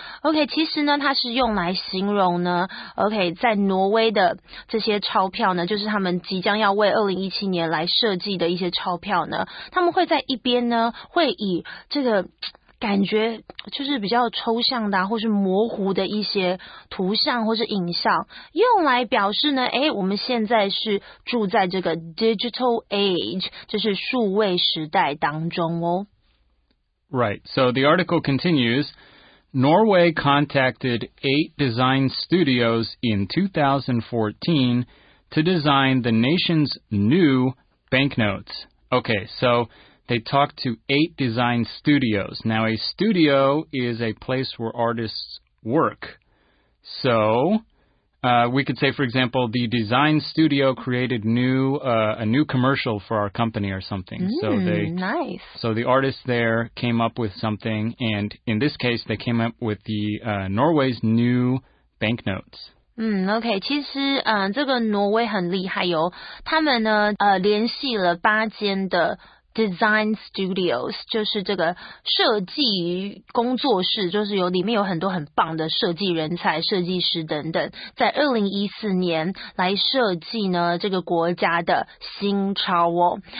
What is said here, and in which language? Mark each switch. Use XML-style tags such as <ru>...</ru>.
<zh>OK， 其实呢，它是用来形容OK， 在挪威的这些钞票呢，就是他们即将要为2017年来设计的一些钞票呢，他们会在一边呢，会以这个感觉就是比较抽象的、啊、或是模糊的一些图像或是影像用来表示呢，哎，我们现在是住在这个 digital age， 就是数位时代当中哦。</zh> <en>Right, so the article continues,Norway contacted 8 design studios in 2014 to design the nation's new banknotes. Okay, so they talked to 8 design studios. Now, a studio is a place where artists work. So, we could say, for example, the design studio created a new commercial for our company or something. So the artists there came up with something, and in this case, they came up with the Norway's new banknotes.</en> <zh>OK, 其实这个挪威很厉害哟、哦。他们呢联系了八间的design studios 就是这个设计工作室就是有里面有很多很棒的设计人才设计师等等在2014年来设计呢这个国家的新钞哦</zh>